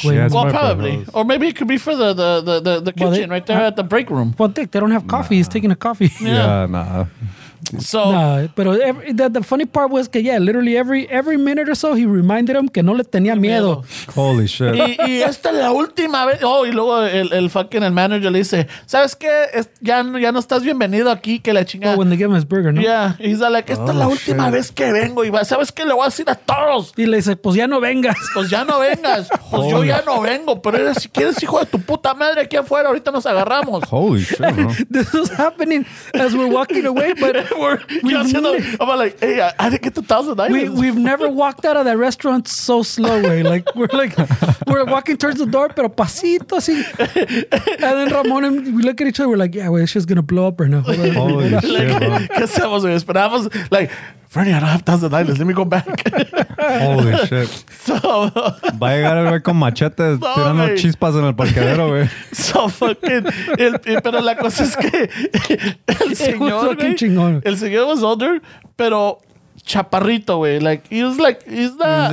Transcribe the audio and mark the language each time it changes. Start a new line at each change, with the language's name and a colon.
English: Probably. Or maybe it could be for the kitchen right there at the break room. Well, Dick, they don't have coffee. Nah. He's taking a coffee. Yeah, nah. So, but the funny part was que literally every minute or so he reminded him
Spanish: que no le tenía miedo.
English: Holy shit.
Spanish: Y esta es la última vez. Oh, y luego el
English: fucking manager
Spanish: le dice, ¿sabes qué? Ya no estás bienvenido aquí, que la chingada.
English: Oh, when they give him his burger, ¿no? Yeah. He's like,
Spanish: esta es la última vez que vengo. Y va, ¿sabes qué? Le voy a decir a todos. Y le dice, pues ya no vengas. Pues ya no vengas. Pues yo ya no vengo. Pero eres, si quieres, hijo de tu puta madre, aquí afuera, ahorita nos agarramos.
English: Holy shit, bro. This is happening as we're walking away, but I didn't get the 1,000 items. We've never walked out of that restaurant so slow, way. Like we're walking towards the door,
Spanish: pero pasito así.
English: And then Ramon and we look at each other. We're like, yeah, it's just gonna blow up right now. Holy shit, bro. Because I was like, Freddy, I don't have 1,000 items. Let me go back. Holy shit. So
Spanish: va a llegar el güey con machete tirando chispas en el parqueadero, güey.
English: So fucking.
Spanish: Pero la cosa es que el señor, el señor
English: was older,
Spanish: pero chaparrito, güey.
English: Like, he was like, he's not.